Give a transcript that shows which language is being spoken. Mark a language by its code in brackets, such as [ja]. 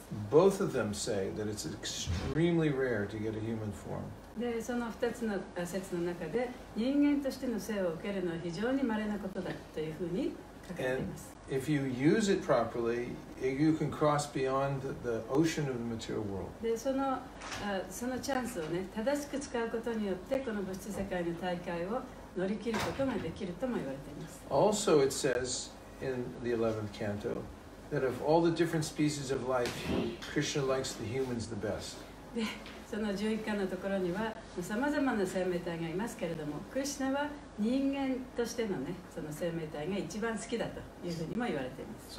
[en] Both of them say that it's extremely rare to get a human form. [ja] でその2つの説の中で人間としての生を受けるのは非常に稀なことだというふうに書かれています。 [en] And if you use it properly, you can cross beyond the ocean of the material world. [ja] でそのチャンスをね、正しく使うことによってこの物質世界の大会を乗り切ることができるとも言われています。 [en] Also, it says in the 11th canto that of all the different species of life, Krishna likes the humans the best. [ja] その11巻のところにはさまざまな生命体がいますけれども、クリシナは人間としてのね、その生命体が一番好きだというふうにも言われています。